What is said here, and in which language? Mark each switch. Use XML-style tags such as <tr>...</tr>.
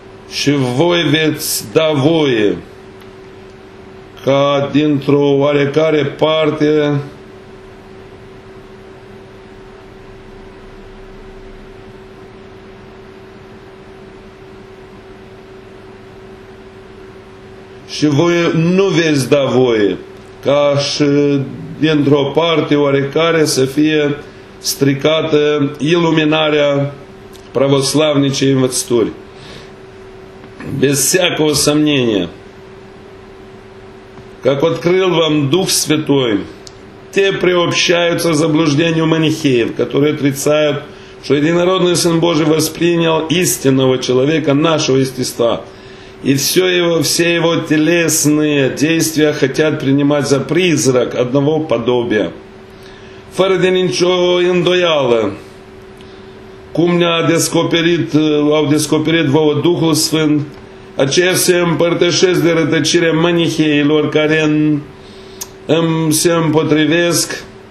<ro>Și voi veți da voie ca dintr-o oarecare parte și voi nu veți da voie ca și dintr-o parte oarecare să fie stricată iluminarea pravoslavnicei învățături.</ro> <ru>Без всякого сомнения, как открыл вам Дух Святой, те приобщаются к заблуждению манихеев, которые отрицают, что Единородный Сын Божий воспринял истинного человека нашего естества, и все его телесные действия хотят принимать за призрак одного подобия.</ru> <ro>Фără de nicio îndoială, cum ne-a descoperit, au descoperit vouă Duhul Sfânt, aceia se împărtășesc de rătăcirea manicheilor care se împotrivesc,</ro>